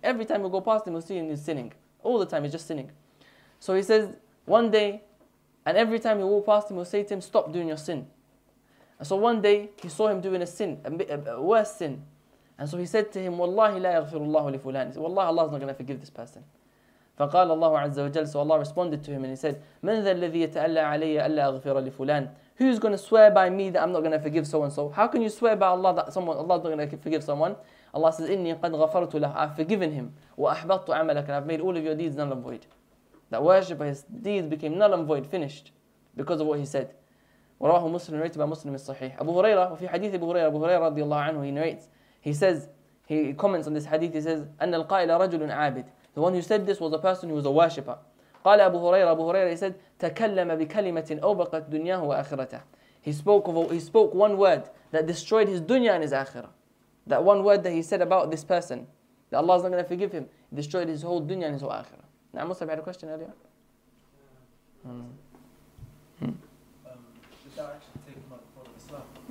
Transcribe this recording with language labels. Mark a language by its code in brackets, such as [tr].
[en] Every time he would go past him, he would see him sinning. All the time, he's just sinning. So he says, one day, and every time he walked past him, he would say to him, stop doing your sin. And so one day, he saw him doing a sin, a worse sin. And so he said to him, [ar] Wallahi la yaghfirullahu li fulan. [en] He said, Wallahi, Allah is not going to forgive this person. [ar] فقال الله عز وجل. [en] So Allah responded to him and he said, [ar] من ذا الذي يتألى علي ألا أغفر لفلان. [en] Who's going to swear by me that I'm not going to forgive so and so? How can you swear by Allah that someone, Allah's not going to forgive someone? Allah says, [ar] إني قد غفرت له. [en] I've forgiven him. [ar] وأحبطت عملك. [en] And I've made all of your deeds null and void. That worship, his deeds became null and void, finished, because of what he said. [ar] ورواه مسلم, [en] narrated by Muslim is صحيح. أبو هريرة, [ar] وفي حديث أبو هريرة, [en] أبو هريرة رضي الله عنه, he narrates, he says, he comments on this hadith, he says, [ar] أن القائل رجل عابد. [en] The one who said this was a person who was a worshipper. [ar] قال أبو هريرة, أبو هريرة, [en] he said, [ar] تكلم بكلمة أوبقت دنياه وآخرته. [en] He spoke one word that destroyed his dunya and his akhirah. That one word that he said about this person, that Allah is not going to forgive him, destroyed his whole dunya and his whole akhirah. Now, Mustafa, had a question earlier. Does that actually take him out of Islam?